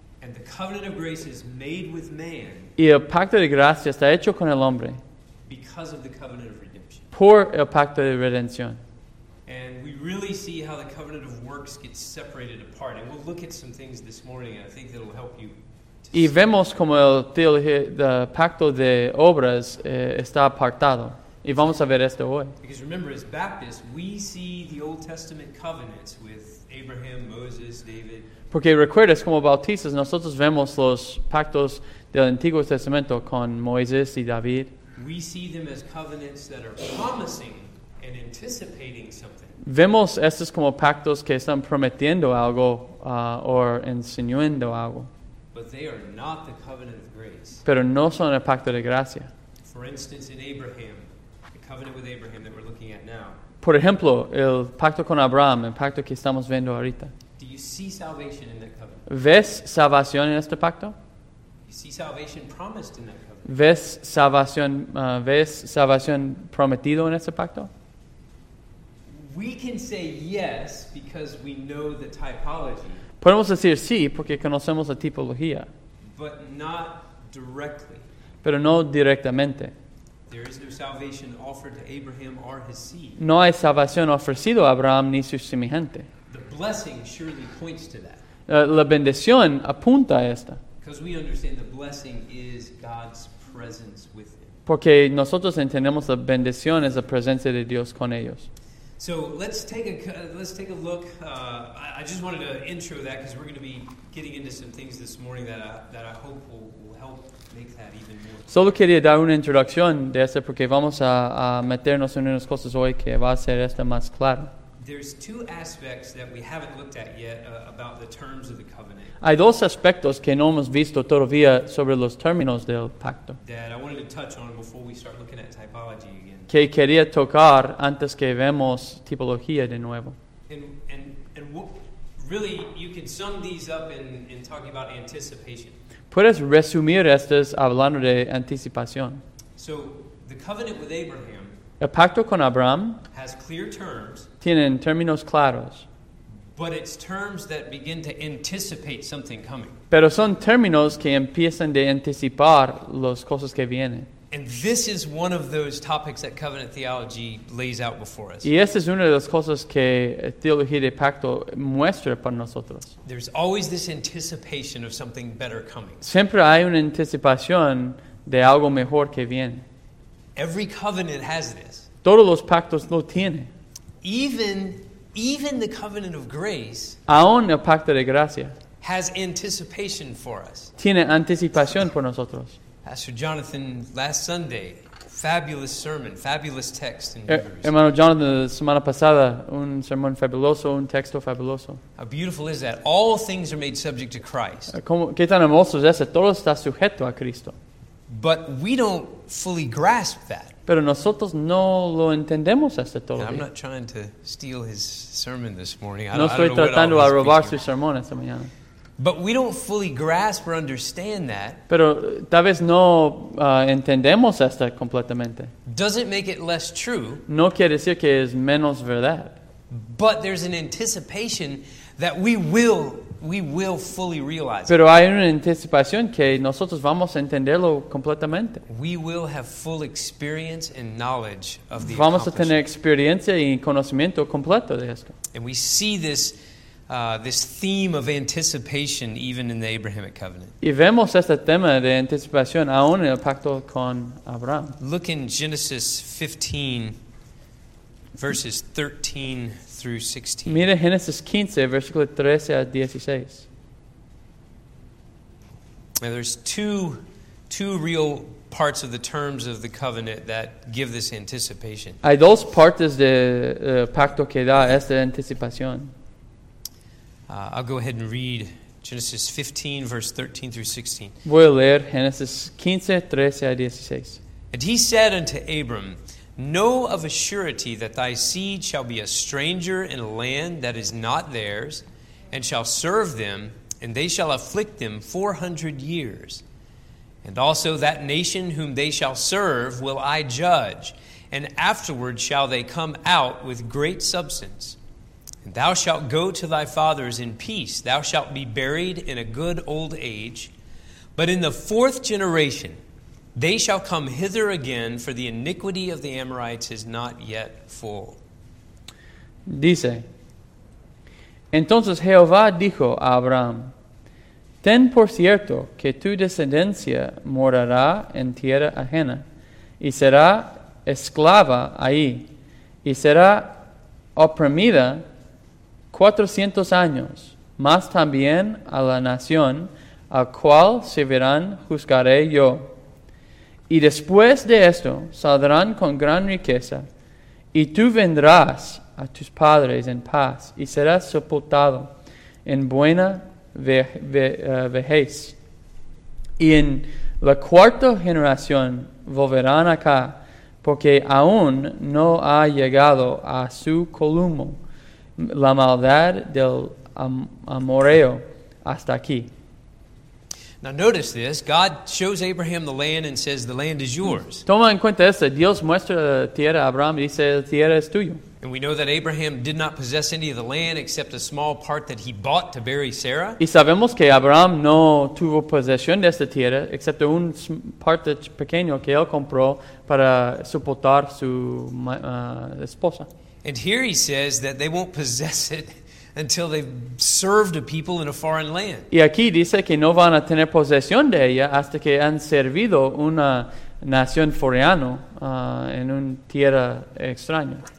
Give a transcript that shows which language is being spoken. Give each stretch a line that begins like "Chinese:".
English: And the covenant of grace is made with man,
Spanish: y el pacto de gracia está hecho con el hombre
English: because of the covenant of redemption.
Spanish: Por el pacto de redención.
English: And we really see how the covenant of works gets separated apart. And we'll look at some things this morning, and I think that'll help you.
Spanish: Y vemos como el pacto de obras está apartado. Y vamos a ver esto hoy.
English: Because remember, as Baptists, we see the Old Testament covenants with Abraham, Moses, David.
Spanish: Porque recuerdas, como bautistas, nosotros vemos los pactos del Antiguo Testamento con Moisés y David.
English: We see them as covenants that are promising and anticipating something.
Spanish: Vemos estos como pactos que están prometiendo algo o enseñando algo.
English: But they are not the covenant of grace.
Spanish: Pero no son el pacto de gracia.
English: For instance, in Abraham, the covenant with Abraham that we're looking at now.
Spanish: Por ejemplo, el pacto con Abraham, el pacto que estamos viendo ahorita.
English: Do you see salvation in that covenant?
Spanish: ¿Ves salvación en este pacto?
English: You see salvation promised in that covenant.
Spanish: ¿Ves salvación prometido en este pacto?
English: We can say yes because we know the typology.
Spanish: Podemos decir sí porque conocemos la tipología.
English: But not directly.
Spanish: Pero no directamente.
English: There is no salvation offered to Abraham or his seed.
Spanish: No hay salvación ofrecido a Abraham ni su semejante.
English: The blessing surely points to that.
Spanish: La bendición apunta a esta.
English: Because we understand the blessing is God's presence with him.
Spanish: Porque nosotros entendemos la bendición es la presencia de Dios con ellos.
English: So let's take a look. I just wanted to intro that because we're going to be getting into some things this morning that I hope will help make that even more.
Spanish: Solo quería dar una introducción de esto porque vamos a meternos en unas cosas hoy que va a hacer esto más claro.
English: There's two aspects that we haven't looked at yet about the terms of the covenant.
Spanish: Hay dos aspectos que no hemos visto todavía sobre los términos del pacto.
English: That I wanted to touch on before we start looking at typology again.
Spanish: Que quería tocar antes que vemos tipología de nuevo.
English: And really, you can sum these up in talking about anticipation.
Spanish: Puedes resumir estas hablando de anticipación.
English: So, the covenant with Abraham.
Spanish: El pacto con Abraham
English: has clear terms,
Spanish: tienen términos claros,
English: but it's terms that begin to anticipate something coming.
Spanish: Pero son términos que empiezan de anticipar las cosas que vienen.
English: And this is one of those topics that covenant theology lays out before us.
Spanish: Y esta es una de las cosas que teología de pacto muestra para nosotros.
English: There's always this anticipation of something better coming.
Spanish: Siempre hay una anticipación de algo mejor que viene.
English: Every covenant has this.
Spanish: Todos los pactos lo tiene.
English: Even the covenant of grace,
Spanish: aún el pacto de gracia,
English: has anticipation for us.
Spanish: Tiene anticipación por nosotros.
English: Pastor Jonathan, last Sunday, fabulous sermon, fabulous text.
Spanish: Hermano Jonathan, la semana pasada, un sermón fabuloso, un texto fabuloso.
English: How beautiful is that? All things are made subject to Christ.
Spanish: ¿Qué tan hermoso es eso? Todo está sujeto a Cristo.
English: But we don't fully grasp that.
Spanish: Pero nosotros no lo entendemos hasta todavía.
English: I'm not trying to steal his sermon this morning.
Spanish: No estoy tratando de robar su sermón esta mañana.
English: But we don't fully grasp or understand that.
Spanish: Pero tal vez no entendemos esta completamente.
English: Doesn't make it less true.
Spanish: No quiere decir que es menos verdad.
English: But there's an anticipation that we will fully realize.
Spanish: Pero hay una anticipación que nosotros vamos a entenderlo completamente.
English: We will have full experience and knowledge of the.
Spanish: Vamos a tener experiencia y conocimiento completo de esto.
English: And we see this theme of anticipation even in the Abrahamic covenant.
Spanish: Y vemos este tema de anticipación aún en el pacto con Abraham.
English: Look in Genesis 15, verses 13 through 16.
Spanish: Mira Génesis 15, versículo 13 a 16.
English: Now there's two real parts of the terms of the covenant that give this anticipation.
Spanish: Hay dos partes de pacto que da esta anticipación.
English: I'll go ahead and read Genesis 15, verse 13 through 16.
Spanish: Voy a leer Genesis 15, 13 a 16.
English: And he said unto Abram, Know of a surety that thy seed shall be a stranger in a land that is not theirs, and shall serve them, and they shall afflict them 400 years. And also that nation whom they shall serve will I judge, and afterward shall they come out with great substance. And thou shalt go to thy fathers in peace, thou shalt be buried in a good old age. But in the fourth generation they shall come hither again, for the iniquity of the Amorites is not yet full.
Spanish: Dice, Entonces Jehová dijo a Abraham, Ten por cierto que tu descendencia morará en tierra ajena, y será esclava ahí, y será oprimida 400 años, más también a la nación a cual servirán juzgaré yo. Y después de esto saldrán con gran riqueza, y tú vendrás a tus padres en paz, y serás sepultado en buena vejez. Y en la cuarta generación volverán acá, porque aún no ha llegado a su colmo la maldad del amorreo hasta aquí.
English: Now notice this. God shows Abraham the land and says, the land is yours.
Spanish: Toma en cuenta esto. Dios muestra la tierra a Abraham y dice, la tierra es tuya.
English: And we know that Abraham did not possess any of the land except a small part that he bought to bury Sarah.
Spanish: Y sabemos que Abraham no tuvo posesión de esta tierra excepto un parte pequeño que él compró para sepultar su esposa.
English: And here he says that they won't possess it until they've served a people in a foreign land.
Spanish: Y aquí dice que no van a tener posesión de ella hasta que han servido una nación foreano en una tierra extraña.